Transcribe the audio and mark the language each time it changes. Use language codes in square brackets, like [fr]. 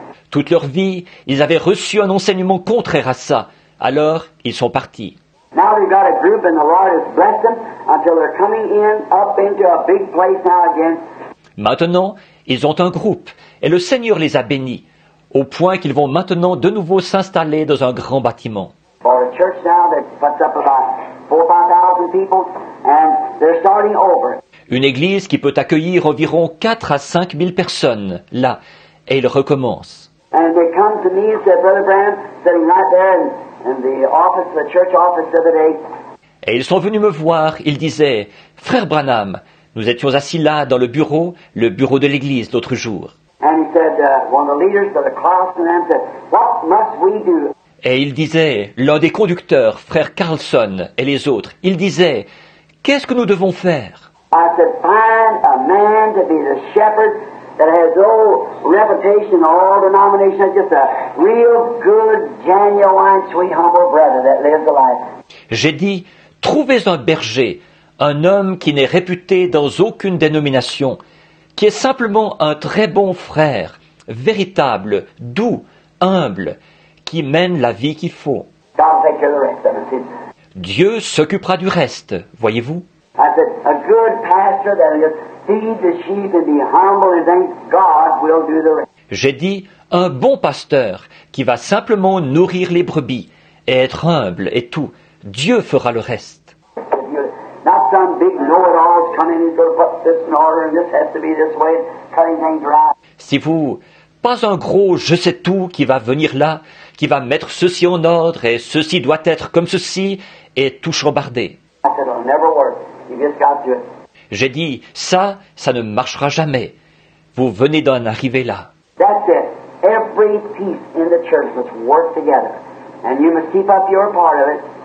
[fr] Toute leur vie, ils avaient reçu un enseignement contraire à ça. Alors, ils sont partis. [en] Now they've got a group and the Lord has blessed them until they're coming in up into a big place now again. [fr] Maintenant, ils ont un groupe et le Seigneur les a bénis au point qu'ils vont maintenant de nouveau s'installer dans un grand bâtiment. [en] For a church now that puts up about 4,000 people and they're starting over. [fr] Une église qui peut accueillir environ 4 à 5000 personnes là et ils recommencent. [en] And they come to me and say, Brother Branham, sitting right there and in the office, the church office the other day. [fr] Et ils sont venus me voir, ils disaient, Frère Branham, nous étions assis là dans le bureau de l'église l'autre jour. [en] And he said, one of the leaders of the Carlson said, what must we do? [fr] Et ils disaient, l'un des conducteurs, Frère Carlson et les autres, ils disaient, qu'est-ce que nous devons faire? [en] I said, find a man to be the shepherd that has no reputation in all denominations, just a real good, genuine, sweet, humble brother that lives the life. [fr] J'ai dit, trouvez un berger, un homme qui n'est réputé dans aucune dénomination, qui est simplement un très bon frère, véritable, doux, humble, qui mène la vie qu'il faut. [en] God take care of the rest of it. [fr] Dieu s'occupera du reste, voyez-vous. [en] I said, a good pastor that will just feed the sheep and be humble and thank God will do the rest. [fr] J'ai dit, un bon pasteur qui va simplement nourrir les brebis et être humble et tout, Dieu fera le reste. [en] Not some big know-it-alls coming in to put this in order and this has to be this way, cutting things right. [fr] Si vous, pas un gros je-sais-tout qui va venir là, qui va mettre ceci en ordre et ceci doit être comme ceci et tout chambarder. [en] I said, it'll never work. You just got to. [fr] J'ai dit, ça, ça ne marchera jamais. Vous venez d'en arriver là. [en] That's it. Every piece in the church must work together. And you must keep up your part of it.